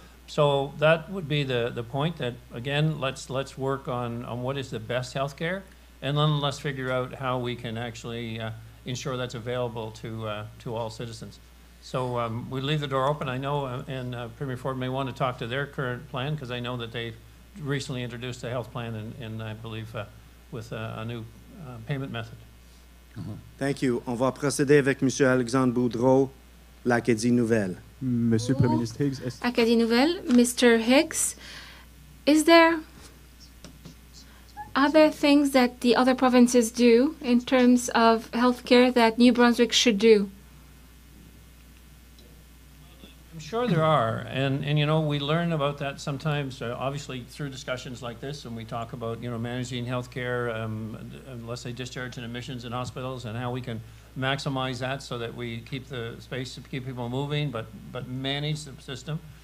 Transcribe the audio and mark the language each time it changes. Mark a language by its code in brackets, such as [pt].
[en] So that would be the point that, again, let's work on what is the best healthcare, and then let's figure out how we can actually ensure that's available to all citizens. So we leave the door open. I know, and Premier Ford may want to talk to their current plan, because I know that they've recently introduced a health plan, and I believe with a new payment method. Mm-hmm. Thank you. [fr] On va procéder avec Monsieur Alexandre Boudreau, l'Acadie Nouvelle. Monsieur le Premier ministre Higgs. [en] Acadie Nouvelle, Mr. Higgs, is there other things that the other provinces do in terms of healthcare that New Brunswick should do? I'm sure there are, and you know, we learn about that sometimes, obviously through discussions like this, and we talk about, you know, managing healthcare, let's say discharge and admissions in hospitals, and how we can maximize that so that we keep the space to keep people moving, but manage the system.